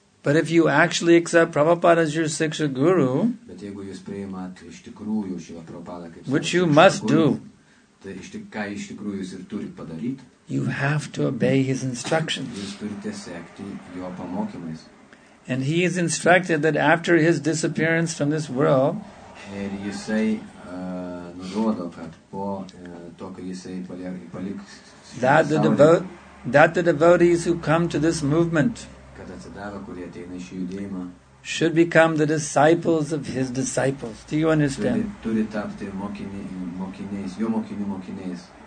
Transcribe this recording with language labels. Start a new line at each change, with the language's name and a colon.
English: But if you actually accept Prabhupada as your siksha guru,
Lithuanian: bet jeigu jūs priimat iš tikrųjų Shiva Prabhupada kaip
English: which you must do,
Lithuanian: tai ką iš tikrųjų jūs ir turit padaryti,
English: you have to obey his instructions.
Lithuanian: Jūs turite sekti jo pamokymais.
English: And he is instructed that after his disappearance from this world,
Lithuanian: ir jisai nurodo, kad po to, kai jisai paliks,
English: that the devotees who come to this movement,
Lithuanian: kad atsidavę, kurie ateina šį judėjimą,
English: should become the disciples of his disciples. Do you understand?
Lithuanian: Turi tapti mokiniais, jo mokinių mokiniais.